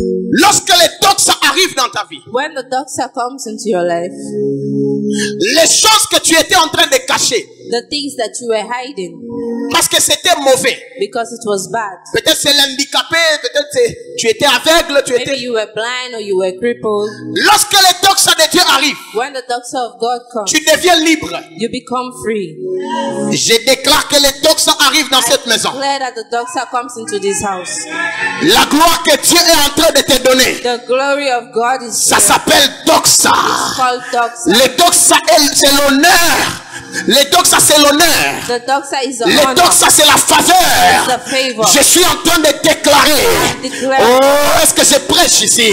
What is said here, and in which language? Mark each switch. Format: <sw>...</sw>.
<fr>Lorsque les doxa arrivent dans ta vie.</fr> <en>When the doxa comes into your life.</en> <fr>Les choses que tu étais en train de cacher.</fr> <en>The things that you were hiding.</en> <fr>Parce que c'était mauvais.</fr> <en>Because it was bad.</en> <fr>Peut-être c'est l'handicapé, peut-être c'est tu étais aveugle, tu</fr> <en>maybe</en> <fr>étais.</fr> <en>Maybe you were blind or you were crippled.</en> <fr>Lorsque les doxa de Dieu arrivent.</fr> <en>When the doxa of God comes.</en> <fr>Tu deviens libre.</fr> <en>You become free.</en> <fr>Je déclare que les doxa arrivent dans</fr> <en>I</en> <fr>cette maison.</fr> <en>Declare that the doxa comes into this house.</en> <fr>La gloire que Dieu est en train de te donner.</fr> <en>The glory of God is.</en> <fr>Ça</fr> <en>here.</en> <fr>S'appelle doxa.</fr> <en>It's called doxa.</en> <fr>Les doxa c'est l'honneur. Les doxa c'est l'honneur.</fr> <en>The doxa is honor.</en> <fr>Les doxa c'est la faveur.</fr> <en>The favor.</en> <fr>Je suis en train de déclarer. Oh, est-ce que je prêche ici?</fr>